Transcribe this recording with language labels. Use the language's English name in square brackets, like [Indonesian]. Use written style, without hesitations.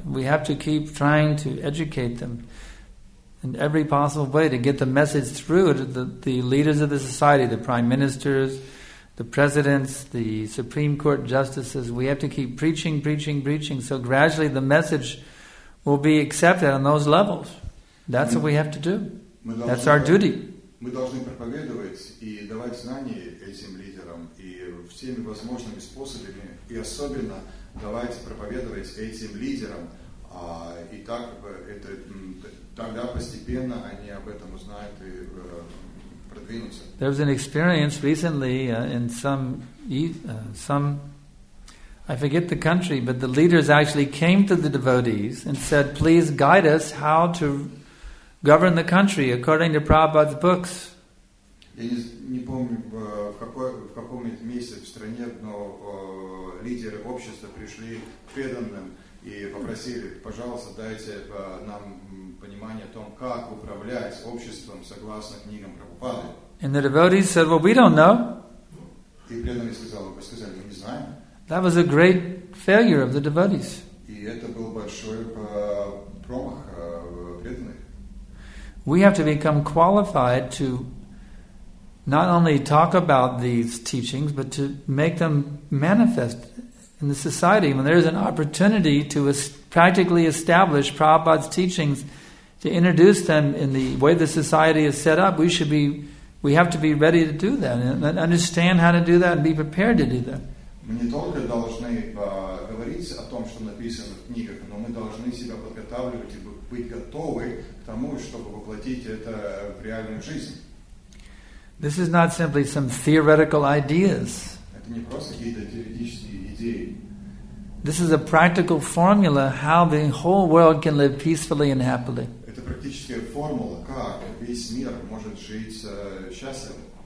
[English] We have to keep trying to educate them in every possible way to get the message through to the leaders of the society, the prime ministers, the presidents, the Supreme Court justices. We have to keep preaching, preaching, preaching, so gradually the message will be accepted on those levels. That's what we have to do. That's our duty. [Russian] Мы должны проповедовать и давать знания этим лидерам и всеми возможными способами, и особенно давать проповедовать этим лидерам, и так это тогда постепенно они об этом узнают и продвинутся. [English] There was an experience recently in some I forget the country, but the leaders actually came to the devotees and said, please guide us how to govern the country according to Prabhupada's books. [Russian] Я не помню в каком месте в стране, но лидеры общества пришли к преданным и попросили, пожалуйста, дайте нам понимание о том, как управлять обществом согласно книгам Прабхупады. [English] And the devotees said, "Well, we don't know." [Russian] И преданные сказали, мы не знаем. [English] That was a great failure of the devotees. [Russian] И это был большой промах преданных. [English] We have to become qualified to not only talk about these teachings, but to make them manifest in the society. When there is an opportunity to practically establish Prabhupada's teachings, to introduce them in the way the society is set up, we have to be ready to do that and understand how to do that and be prepared to do that. [Russian] Мы не только должны говорить о том, что написано в книгах, но мы должны себя подготавливать и быть готовы к тому, чтобы воплотить это в реальную жизнь. [English] This is not simply some theoretical ideas. [Russian] Это не просто какие-то теоретические идеи. [English] This is a practical formula how the whole world can live peacefully and happily. [Russian] Это практическая формула, как весь мир может жить счастливо.